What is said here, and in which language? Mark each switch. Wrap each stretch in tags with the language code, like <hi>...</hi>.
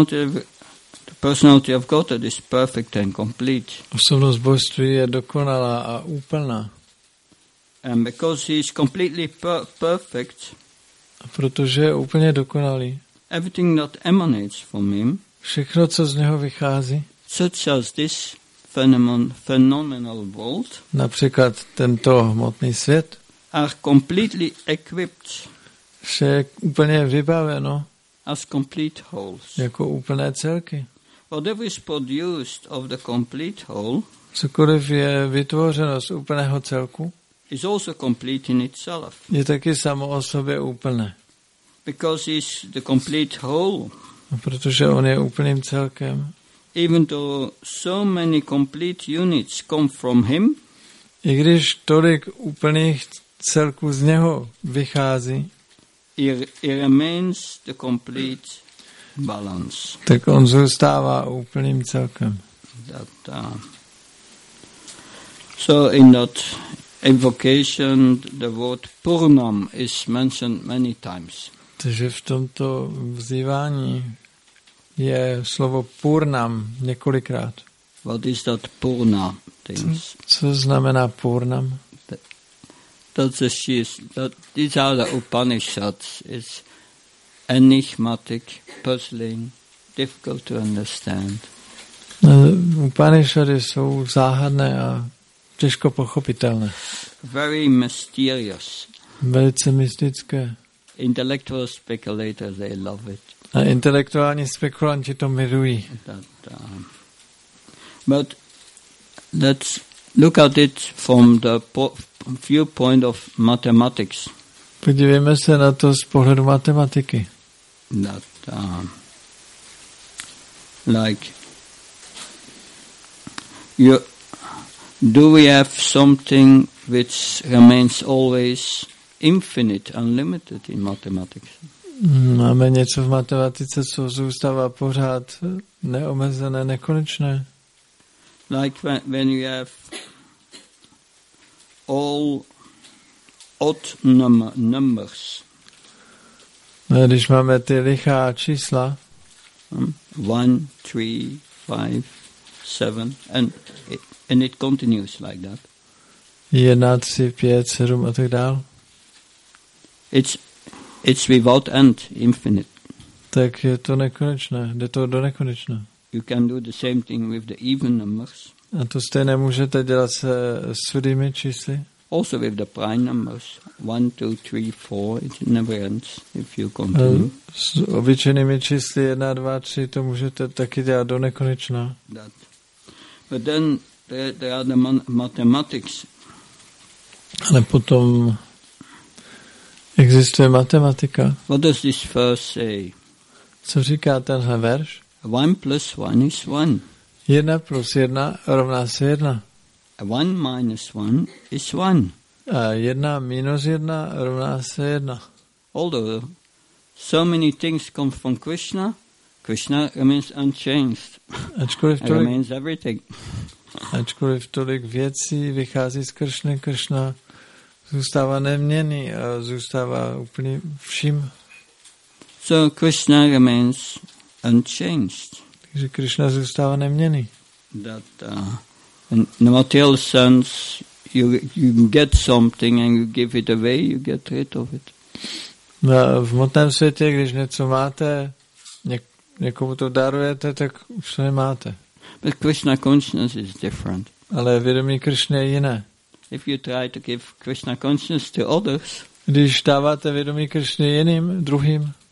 <en>The personality of Godhead is perfect and complete.</en> <cs>Osobnost božství je dokonalá a úplná.</cs> <en>And because he is completely perfect,</en> <cs>a protože je úplně dokonalý,</cs> <en>everything that emanates from him,</en> <cs>všechno, co z něho vychází,</cs> <en>such as this phenomenal world,</en> <cs>například tento hmotný svět,</cs> <en>are completely equipped,</en> <cs>vše je úplně vybaveno,</cs> <en>as complete wholes.</en> <cs>Jako úplné celky.</cs> <en>Whatever is produced of the complete whole,</en> <cs>cokoliv je vytvořeno z úplného celku,</cs> <en>is also complete in itself.</en> <cs>Je taky samo o sobě úplné.</cs> <en>Because it's the complete whole.</en> <cs>A protože on je úplným celkem.</cs> <en>Even though so many complete units come from him,</en> <cs>i když tolik úplných celků z něho vychází,</cs> <en>it remains the complete balance.</en> <cs>Tak on zůstává úplným celkem.</cs> <en>That, so in that invocation, the word Purnam is mentioned many times.</en> <cs>Takže v tomto vzývání je slovo Purnam několikrát.</cs> <en>What is that Purna things?</en> <cs>Co znamená Purnam?</cs> <en>These are the Upanishads. It's enigmatic, puzzling, difficult to understand.</en> <cs>Upanishady jsou záhadné a těžko pochopitelné.</cs> <en>Very mysterious.</en> <cs>Velice mystické.</cs> <en>Intellectual speculators, they love it.</en> <cs>A intelektuální spekulanti to milují.</cs> <en>But let's look at it from the viewpoint of mathematics.</en> <cs>Podívejme se na to z pohledu matematiky.</cs> <en>That, like, you, do we have something which remains always infinite, unlimited in mathematics?</en> <cs>Máme něco v matematice, co zůstává pořád neomezené, nekonečné?</cs> <en>Like when you have all odd numbers.</en> <cs>No, když máme ty lichá čísla,</cs> <en>1, 3, 5, 7, and it continues like that.</en> <cs>1, 3, 5, 7 a tak dál.</cs> <en>It's without end, infinite.</en> <cs>Tak je to nekonečné, jde to do nekonečna.</cs> <en>You can do the same thing with the even numbers.</en> <cs>A to stejné můžete dělat se sudými čísly.</cs> <en>Also with the prime numbers, 1, 2, 3, 4, it never ends if you continue.</en> <cs>S obyčejnými čísly 1, 2, 3 to můžete taky dělat do nekonečna.</cs> <en>That. But then there are the mathematics.</en> <cs>Ale potom existuje matematika.</cs> <en>What does this verse say?</en> <cs>Co říká tenhle verš?</cs> <en>1 + 1 = 1.</en> <cs>1 + 1 = 1.</cs> <en>1 - 1 = 1.</en> <cs>1 - 1 = 1.</cs> <en>Although so many things come from Krishna, Krishna remains unchanged.</en> <cs>Ačkoliv tolik,</cs> <en>remains everything.</en> <cs>Ačkoliv tolik věcí vychází z Krishna, Krishna zůstává neměný a zůstává úplně vším.</cs> <en>So Krishna remains unchanged.</en> <cs>Takže Krishna zůstává neměný.</cs> <en>That in the material sense, you get something and you give it away, you get rid of it.</en> <cs>No, v hmotném světě, když něco máte, někomu to darujete, tak už to nemáte.</cs> <en>But Krishna consciousness is different.</en> <cs>Ale vědomí Krishna je jiné.</cs> <en>If you try to give Krishna consciousness to others,</en> <cs>když dáváte vědomí Krishna jiným, druhým,</cs>